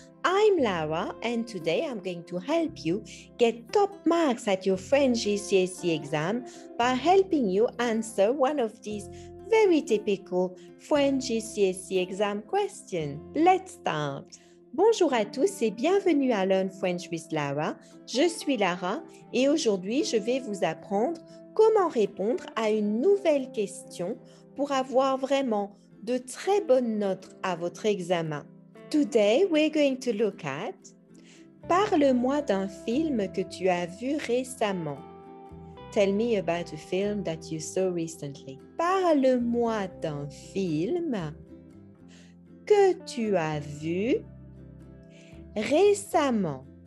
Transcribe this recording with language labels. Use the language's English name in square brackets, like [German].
[English] I'm Lara, and today I'm going to help you get top marks at your French GCSE exam by helping you answer one of these very typical French GCSE exam questions. Let's start. [French] Bonjour à tous et bienvenue à Learn French with Lara. Je suis Lara et aujourd'hui je vais vous apprendre comment répondre à une nouvelle question pour avoir vraiment de très bonnes notes à votre examen. [English] Today, we're going to look at [French] parle-moi d'un film que tu as vu récemment. [English] Tell me about a film that you saw recently. [French] Parle-moi d'un film que tu as vu récemment.